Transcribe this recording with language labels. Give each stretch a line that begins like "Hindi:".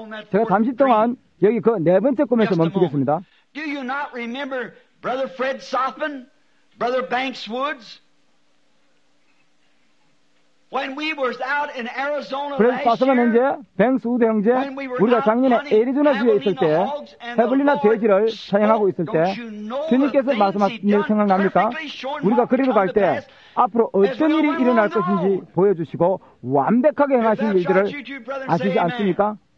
Korean: 제가 잠시 동안 여기 그 네 번째 꿈에서 멈추겠습니다.
English: Do you not remember Brother Fred Soffin, Brother Banks Woods? When we were out in Arizona last year, Fred Soffin
Korean: 형제, Banks Woods 형제, 우리가 작년에 애리조나 주에 있을 때, 해블리나 돼지를 사냥하고 있을 때, 주님께서 말씀하신 일 생각납니까? 우리가 그리로 갈 때, 앞으로 어떤 일이 일어날 것인지 보여주시고, 완벽하게 행하신 일들을 아시지 않습니까?